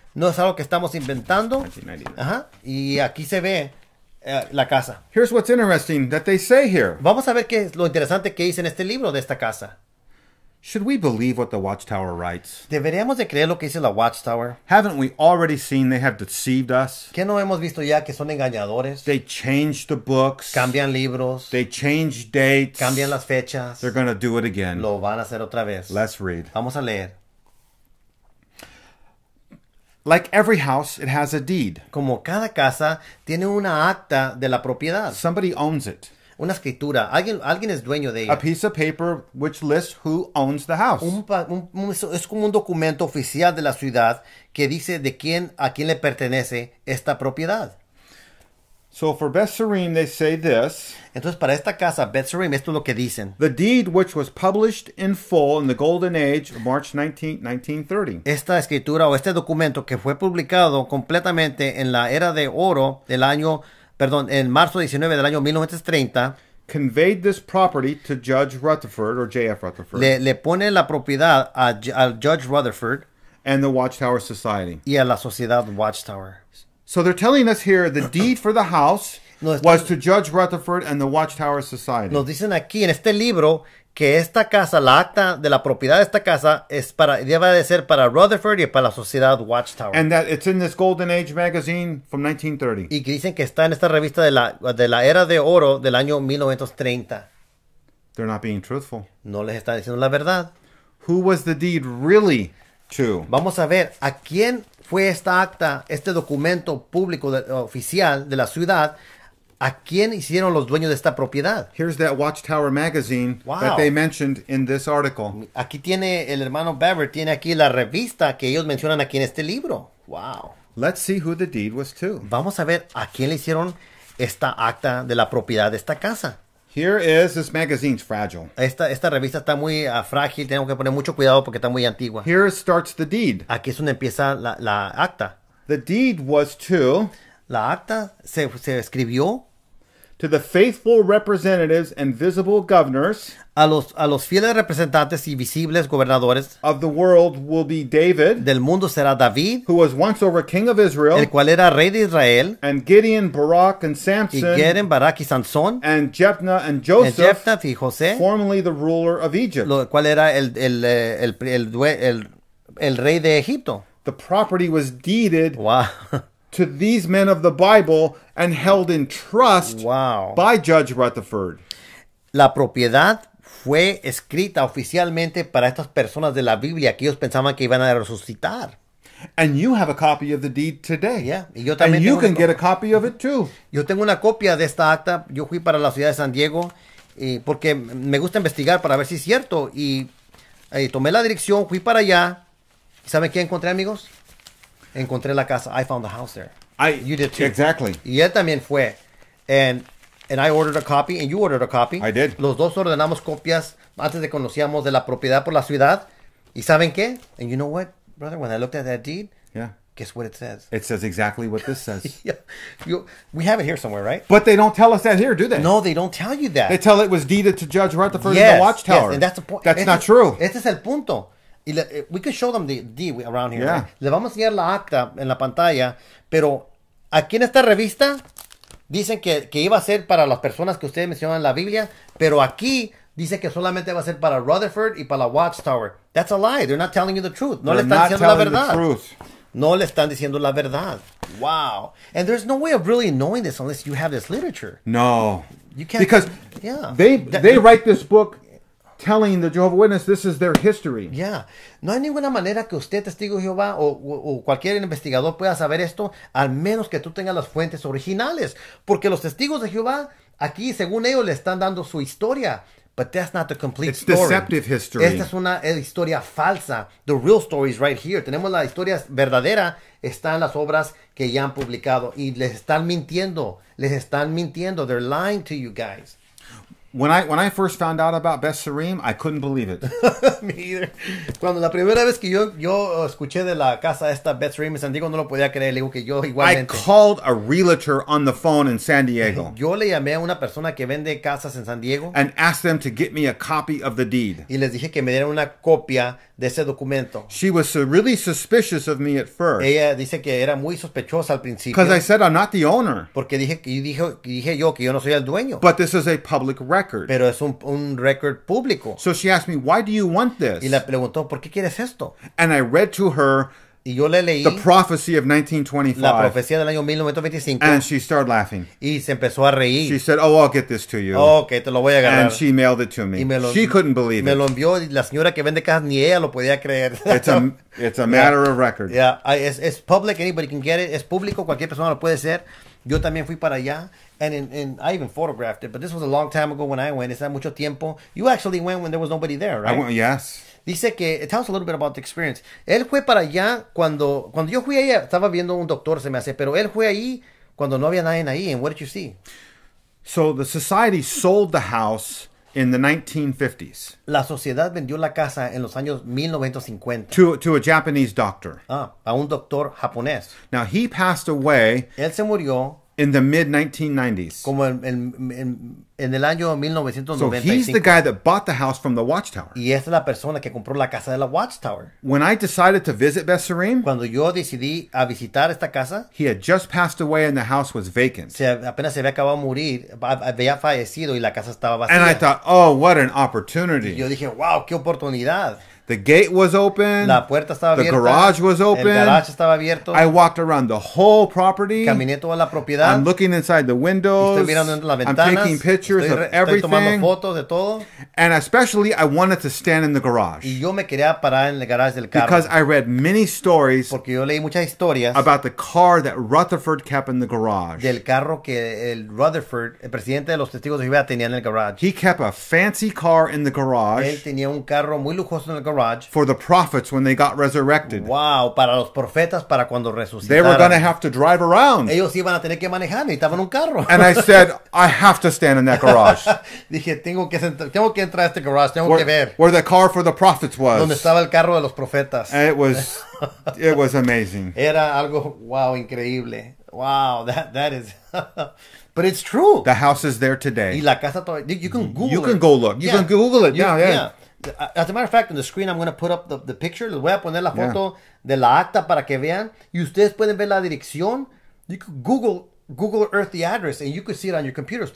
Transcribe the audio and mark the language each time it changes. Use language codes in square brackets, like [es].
[es] No es algo que estamos inventando. 1993. Uh-huh. Y aquí se ve la casa. [en] Here's what's interesting that they say here. [es] Vamos a ver qué es lo interesante que dice en este libro de esta casa. [en] Should we believe what the Watchtower writes? [es] ¿Deberíamos de creer lo que dice la Watchtower? [en] Haven't we already seen they have deceived us? [es] ¿Qué no hemos visto ya que son engañadores? [en] They change the books. [es] Cambian libros. [en] They change dates. [es] Cambian las fechas. [en] They're going to do it again. [es] Lo van a hacer otra vez. [en] Let's read. [es] Vamos a leer. [en] Like every house, it has a deed. [es] Como cada casa tiene una acta de la propiedad. [en] Somebody owns it. [es] Una escritura. Alguien es dueño de ella. [en] A piece of paper which lists who owns the house. [es] Es como un documento oficial de la ciudad que dice de quién a quién le pertenece esta propiedad. [en] So for Betzarim, they say this. [es] Entonces, para esta casa, Betzarim, esto es lo que dicen. [en] The deed which was published in full in the Golden Age of March 19, 1930. [es] Esta escritura o este documento que fue publicado completamente en la era de oro del año, perdón, en marzo 19 del año 1930. [en] Conveyed this property to Judge Rutherford or J.F. Rutherford. [es] Le pone la propiedad al Judge Rutherford. [en] And the Watchtower Society. [es] Y a la Sociedad Watchtower. [en] So they're telling us here the deed for the house was to Judge Rutherford and the Watchtower Society. [es] Nos dicen aquí en este libro que esta casa, la acta de la propiedad de esta casa, es para, debe de ser para Rutherford y para la Sociedad Watchtower. [en] And that it's in this Golden Age magazine from 1930. [es] Y que dicen que está en esta revista de la Era de Oro del año 1930. [en] They're not being truthful. [es] No les están diciendo la verdad. [en] Who was the deed really to? [es] Vamos a ver a quién fue esta acta, este documento público oficial de la ciudad, ¿a quién hicieron los dueños de esta propiedad? [en] Here's that Watchtower magazine, wow, that they mentioned in this article. [es] Aquí tiene el hermano Barber, tiene aquí la revista que ellos mencionan aquí en este libro. [en] Wow. Let's see who the deed was to. [es] Vamos a ver a quién le hicieron esta acta de la propiedad de esta casa. [en] Here is, this magazine's fragile. [es] Esta revista está muy frágil, tengo que poner mucho cuidado porque está muy antigua. [en] Here starts the deed. [es] Aquí es donde empieza la acta. [en] The deed was to... [es] La acta se escribió... [en] To the faithful representatives and visible governors... [es] A los fieles representantes y visibles gobernadores... [en] Of the world will be David... [es] Del mundo será David... [en] Who was once over king of Israel... [es] El cual era rey de Israel... [en] And Gideon, Barak, and Samson... [es] Y Gideon, Barak, y Sansón... [en] And Jephthah and Joseph... [es] Y Jephthah y José... [en] Formerly the ruler of Egypt... [es] Lo cual era el rey de Egipto... [en] The property was deeded... Wow... To these men of the Bible and held in trust, wow, by Judge Rutherford. [es] La propiedad fue escrita oficialmente para estas personas de la Biblia que ellos pensaban que iban a resucitar. [en] And you have a copy of the deed today. [es] Yeah, y yo también. [en] And you can get a copy of it too. [es] Yo tengo una copia de esta acta. Yo fui para la ciudad de San Diego y porque me gusta investigar para ver si es cierto. Y tomé la dirección, fui para allá. ¿Saben qué encontré, amigos? Encontré la casa. [en] I found the house there. You did too. Exactly. [es] Y él también fue. [en] And I ordered a copy. And you ordered a copy. I did. [es] Los dos ordenamos copias antes de conocíamos de la propiedad por la ciudad. ¿Y saben qué? [en] And you know what, brother? When I looked at that deed, yeah, guess what it says? It says exactly what this says. Yeah. We have it here somewhere, right? But they don't tell us that here, do they? No, they don't tell you that. They tell it was deeded to Judge Rutherford, yes, in the Watchtower. Yes, and that's the point. That's not true. [es] Este es el punto. [en] We can show them the deed around here. Yeah. [es] Le vamos a enseñar la acta en la pantalla, pero aquí en esta revista dicen que iba a ser para las personas que ustedes mencionan en la Biblia, pero aquí dice que solamente va a ser para Rutherford y para la Watchtower. [en] That's a lie. They're not telling you the truth. No They're [es] le están [en] not [es] diciendo [en] telling [es] la verdad. [en] The truth. [es] No le están diciendo la verdad. Wow. [en] And there's no way of really knowing this unless you have this literature. No. You can't. Because they write this book telling the Jehovah's Witness this is their history. Yeah. [es] No hay ninguna manera que usted, testigo de Jehová, o cualquier investigador pueda saber esto, al menos que tú tengas las fuentes originales. Porque los testigos de Jehová, aquí, según ellos, le están dando su historia. [en] But that's not the complete it's story. It's deceptive history. [es] Esta es una historia falsa. [en] The real story is right here. [es] Tenemos la historia verdadera. Están las obras que ya han publicado. Y les están mintiendo. Les están mintiendo. [en] They're lying to you guys. When I first found out about Betzarim, I couldn't believe it. Me either. [es] Cuando la primera vez que yo escuché de la casa esta Betzarim en San Diego, no lo podía creer. Le digo que yo igualmente. [en] I called a realtor on the phone in San Diego. [es] Yo le llamé a una persona que vende casas en San Diego. [en] And asked them to get me a copy of the deed. [es] Y les dije que me dieran una copia de ese documento. [en] She was really suspicious of me at first. [es] Ella dice que era muy sospechosa al principio. [en] Because I said I'm not the owner. [es] Porque dije yo que yo no soy el dueño. [en] But this is a public record. [es] Pero es un record público. [en] So she asked me, why do you want this? [es] Y le preguntó, ¿por qué quieres esto? [en] And I read to her, [es] y yo le leí [en] the prophecy of 1925. [es] La profecía del año 1925. [en] And she started laughing. [es] Y se empezó a reír. [en] She said, oh, I'll get this to you. [es] Okay, te lo voy a agarrar. [en] And she mailed it to me. She couldn't believe [es] it. Me lo envió y la señora que vende casas ni ella lo podía creer. [en] It's a matter of record. Yeah, it's public. Anybody can get it. [es] Es público. Cualquier persona lo puede hacer. Yo también fui para allá. [en] And I even photographed it. But this was a long time ago when I went. [es] Es mucho tiempo. [en] You actually went when there was nobody there, right? I went, yes. [es] Dice que, [en] tell us a little bit about the experience. [es] Él fue para allá cuando yo fui ahí, estaba viendo un doctor, se me hace, pero él fue ahí Cuando no había nadie ahí, [en] and what did you see? So the society sold the house in the 1950s. [es] La sociedad vendió la casa en los años 1950. [en] To a Japanese doctor. [es] Ah, a un doctor japonés. [en] Now he passed away. [es] Él se murió. [en] In the mid-1990s. [es] Como en el año 1995. [en] So he's the guy that bought the house from the Watchtower. [es] Y es la persona que compró la casa de la Watchtower. [en] When I decided to visit Bessarim. [es] Cuando yo decidí a visitar esta casa. [en] He had just passed away and the house was vacant. [es] Apenas se había acabado de morir. Había fallecido y la casa estaba vacía. [en] And I thought, oh, what an opportunity. [es] Y yo dije, wow, qué oportunidad. [en] The gate was open. [es] La puerta estaba abierta. [en] The garage was open. [es] El garage estaba abierto. [en] I walked around the whole property. [es] Caminé toda la propiedad. [en] I'm looking inside the windows. [es] Estoy mirando dentro de las ventanas. [en] I'm taking pictures of everything. [es] Estoy tomando fotos de todo. [en] And especially, I wanted to stand in the garage. [es] Y yo me quería parar en el garage del carro. [en] Because I read many stories. [es] Porque yo leí muchas historias. [en] About the car that Rutherford kept in the garage. [es] Del carro que el Rutherford, el presidente de los Testigos de Jehová, tenía en el garage. [en] He kept a fancy car in the garage. [es] Él tenía un carro muy lujoso en el garage. [en] For the prophets when they got resurrected. [es] Wow, para los profetas para cuando resucitaran. [en] They were going to have to drive around. [es] Ellos iban a tener que manejar, necesitaban un carro. [en] And I said, I have to stand in that garage. [es] Dije, tengo que entrar a este garage, tengo que ver. [en] Where the car for the prophets was. [es] Donde estaba el carro de los profetas. [en] And it was amazing. [es] Era algo, wow, increíble. [en] Wow, that is... But it's true. The house is there today. [es] Y la casa [en] you can Google you it. Can go look. You yeah. can Google it. Yeah. As a matter of fact, on the screen, I'm going to put up the picture. [es] Les voy a poner la foto de la acta para que vean. Y ustedes pueden ver la dirección. [en] You could Google Earth the address, and you could see it on your computer.